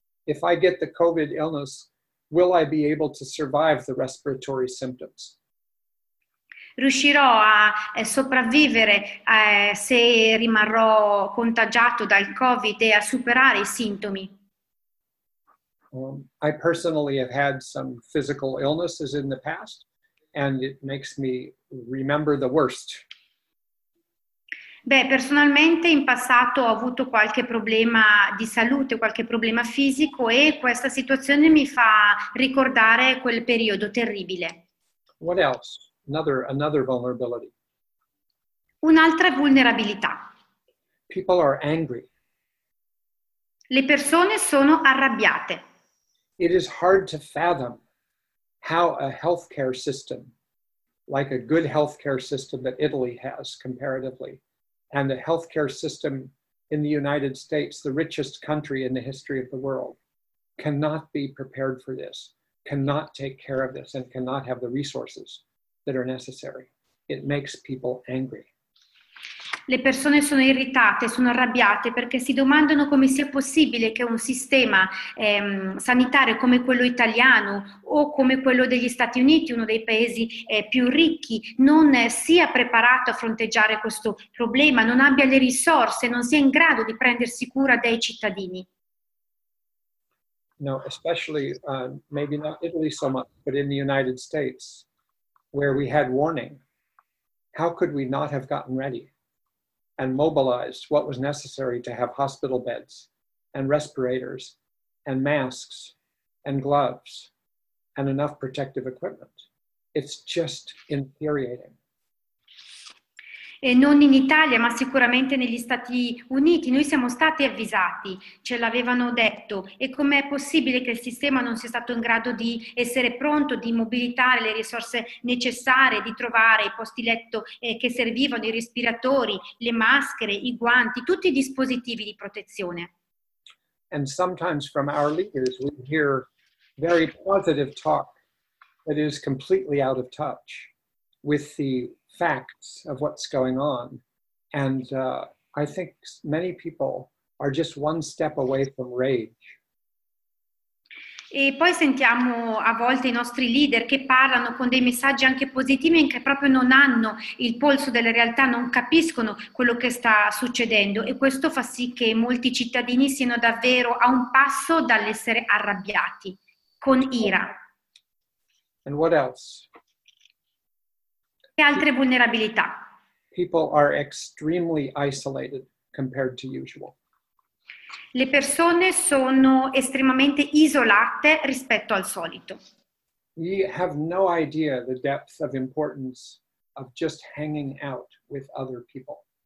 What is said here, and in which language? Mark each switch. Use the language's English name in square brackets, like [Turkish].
[English] If I get the COVID illness, will I be able to survive the respiratory symptoms? [Italian] Riuscirò a sopravvivere se rimarrò contagiato dal COVID e a superare i sintomi. [English] I personally have had some physical illnesses in the past, and it makes me remember the worst. [Italian] Beh, personalmente in passato ho avuto qualche problema di salute, qualche problema fisico, e questa situazione mi fa ricordare quel periodo terribile. [English] What else? Another vulnerability. [Italian] Un'altra vulnerabilità. [English] People are angry. [Italian] Le persone sono arrabbiate. [English] It is hard to fathom how a healthcare system, like a good healthcare system that Italy has comparatively, and a healthcare system in the United States, the richest country in the history of the world, cannot be prepared for this, cannot take care of this, and cannot have the resources that are necessary. It makes people angry. [Italian] Le persone sono irritate, sono arrabbiate perché si domandano come sia possibile che un sistema sanitario come quello italiano o come quello degli Stati Uniti, uno dei paesi più ricchi, non sia preparato a fronteggiare questo problema, non abbia le risorse, non sia in grado di prendersi cura dei cittadini. [English] No, especially maybe not Italy so much, but in the United States, where we had warning, how could we not have gotten ready and mobilized what was necessary to have hospital beds and respirators and masks and gloves and enough protective equipment? It's just infuriating. [Italian] E non in Italia, ma sicuramente negli Stati Uniti. Noi siamo stati avvisati, ce l'avevano detto. E com'è possibile che il sistema non sia stato in grado di essere pronto, di mobilitare le risorse necessarie, di trovare i posti letto che servivano, i respiratori, le maschere, i guanti, tutti i dispositivi di protezione? [English] And sometimes from our leaders we hear very positive talk that is completely out of touch with the facts of what's going on, and I think many people are just one step away from rage. [Italian] E poi sentiamo a volte i nostri leader che parlano con dei messaggi anche positivi, in che proprio non hanno il polso della realtà, non capiscono quello che sta succedendo, e questo fa sì che molti cittadini siano davvero a un passo dall'essere arrabbiati, con ira. [English] And what else? [Italian] E altre vulnerabilità. [English] People are extremely isolated compared to usual. [Italian] Le persone sono estremamente isolate rispetto al solito. [English] We have no idea the depth of importance of just hanging out with other people.